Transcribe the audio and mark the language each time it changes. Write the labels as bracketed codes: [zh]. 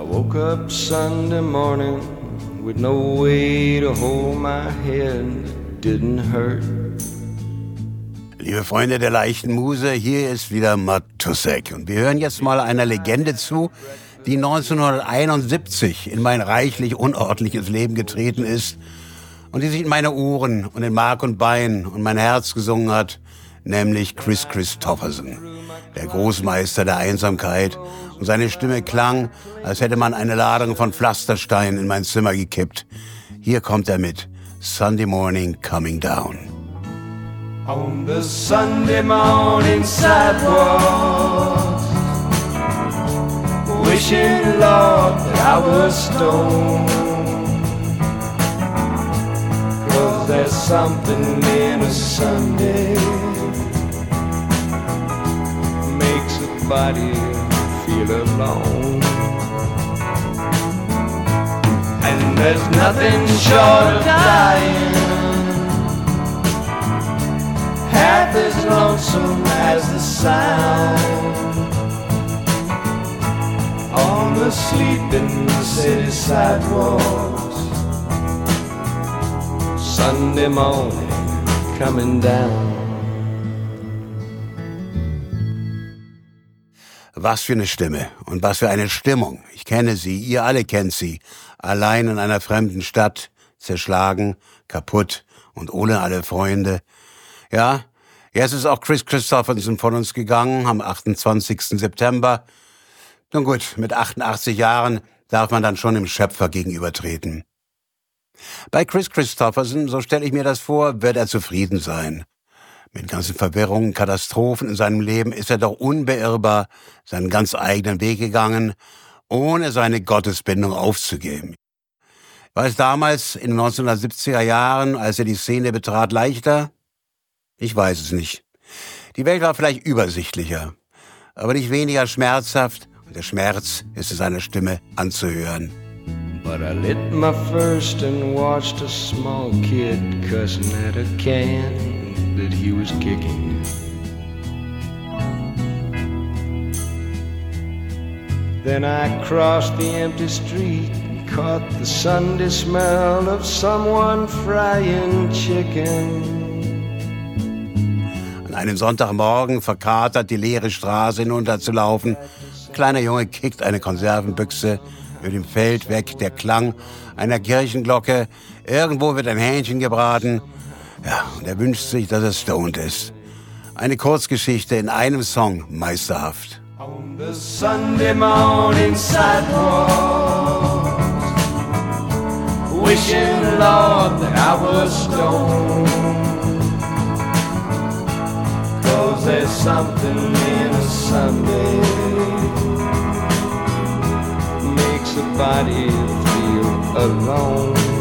[en] Woke up Sunday morning with no way to hold my head. Didn't hurt. [de] Liebe Freunde der leichten Muse, hier ist wieder Matusek. Und wir hören jetzt mal einer Legende zu, die 1971 in mein reichlich unordentliches Leben getreten ist und die sich in meine Ohren und in Mark und Bein und mein Herz gesungen hat, nämlich Kris Kristofferson, der Großmeister der Einsamkeit. Und seine Stimme klang, als hätte man eine Ladung von Pflastersteinen in mein Zimmer gekippt. Hier kommt er mit Sunday Morning Coming Down. [en] On the Sunday morning sidewalk, wishing, Lord, that I was stoned. 'Cause there's something in a Sunday makes a body feel alone. And there's nothing short of dying half as lonesome as the sound on the sleeping city sidewalks. Sunday morning coming down. [de] Was für eine Stimme und was für eine Stimmung. Ich kenne sie, ihr alle kennt sie. Allein in einer fremden Stadt, zerschlagen, kaputt und ohne alle Freunde. Ja, jetzt ist auch Kris Kristofferson von uns gegangen am 28. September. Nun gut, mit 88 Jahren darf man dann schon dem Schöpfer gegenübertreten. Bei Kris Kristofferson, so stelle ich mir das vor, wird er zufrieden sein. Mit ganzen Verwirrungen, Katastrophen in seinem Leben ist er doch unbeirrbar seinen ganz eigenen Weg gegangen, ohne seine Gottesbindung aufzugeben. War es damals in den 1970er Jahren, als er die Szene betrat, leichter? Ich weiß es nicht. Die Welt war vielleicht übersichtlicher, aber nicht weniger schmerzhaft. Und der Schmerz ist in seiner Stimme anzuhören. [en] But I lit my first and watched a small kid cussing at a can that he was kicking. Then I crossed the empty street and caught the Sunday smell of someone frying chicken. [de] An einem Sonntagmorgen verkatert die leere Straße hinunterzulaufen. Ein kleiner Junge kickt eine Konservenbüchse über dem Feld weg. Der Klang einer Kirchenglocke. Irgendwo wird ein Hähnchen gebraten. Ja, und er wünscht sich, dass er stoned ist. Eine Kurzgeschichte in einem Song, meisterhaft. [en] On the Sunday morning sidewalk, wishing, Lord, that I was stoned. 'Cause there's something in a Sunday makes a body feel alone.